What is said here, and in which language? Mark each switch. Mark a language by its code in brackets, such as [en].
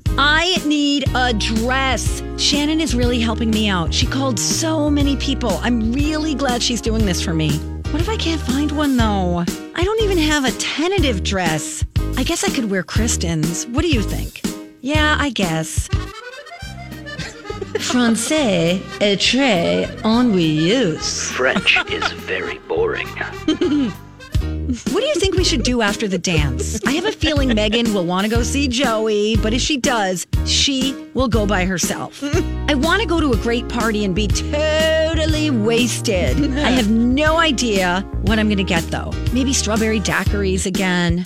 [en] I need a dress. Shannon is really helping me out. She called so many people. I'm really glad she's doing this for me. What if I can't find one, though? I don't even have a tentative dress. I guess I could wear Kristen's. What do you think? Yeah, I guess. [fr] Français est très ennuyeux. [en] French is very boring. What do you think we should do after the dance? I have a feeling Megan will want to go see Joey, but if she does, she will go by herself. I want to go to a great party and be totally wasted. I have no idea what I'm going to get, though. Maybe strawberry daiquiris again.